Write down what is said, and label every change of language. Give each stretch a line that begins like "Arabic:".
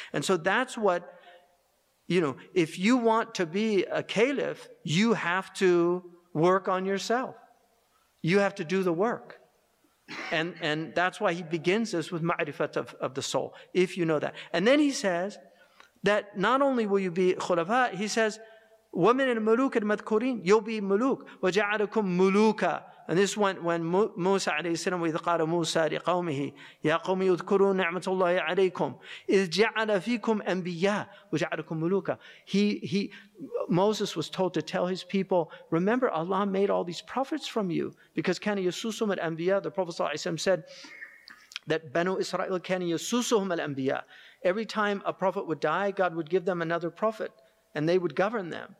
English: And so that's what, you know, if you want to be a caliph, you have to work on yourself. You have to do the work. And that's why he begins this with ma'rifat of the soul, if you know that. And then he says that not only will you be khulafa, he says,
Arabic: وَمِنَ الْمُلُوكِ الْمَذْكُورِينَ,
English: you'll be muluk.
Arabic: وَجَعَلَكُمْ مُلُوكَ.
English: And this went when Musa
Arabic: عليه السلام, وَإِذْ قَالَ مُوسَى لِقَوْمِهِ يَا قَوْمِ اذْكُرُوا نِعْمَةَ اللَّهِ عَلَيْكُمْ إِذْ جَعَلَ فِيكُمْ أَنْبِيَاءَ وَجَعَلَكُمْ مُلُوكَ.
English: He Moses was told to tell his people, remember, Allah made all these prophets from you, because
Arabic: كَانَ يَسُوسُمْ الْأَنْبِيَاءَ.
English: The Prophet ﷺ said, that Banu Israel kana yasusuhum al-anbiya. Every time a prophet would die, God would give them another prophet, and they would govern them.